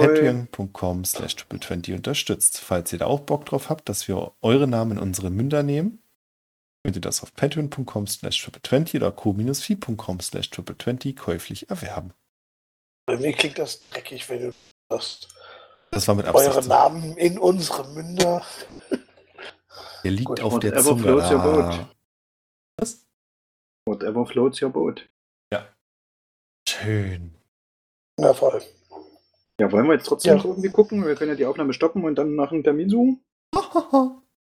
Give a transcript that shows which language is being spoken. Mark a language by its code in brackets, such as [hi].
[de] Patreon.com/triple20 unterstützt. Falls ihr da auch Bock drauf habt, dass wir eure Namen in unsere Münder nehmen, könnt ihr das auf patreon.com/triple20 oder co-fi.com/triple20 käuflich erwerben. Bei mir klingt das dreckig, wenn du sagst, das war mit Absicht. Eure Namen in unsere Münder. Der liegt gut, auf der Zunge. [en] Whatever floats your boat. [de] Was? [en] Whatever floats your boat. [de] Ja. Schön. Na voll. Ja, wollen wir jetzt trotzdem irgendwie gucken? Wir können ja die Aufnahme stoppen und dann nach einem Termin suchen.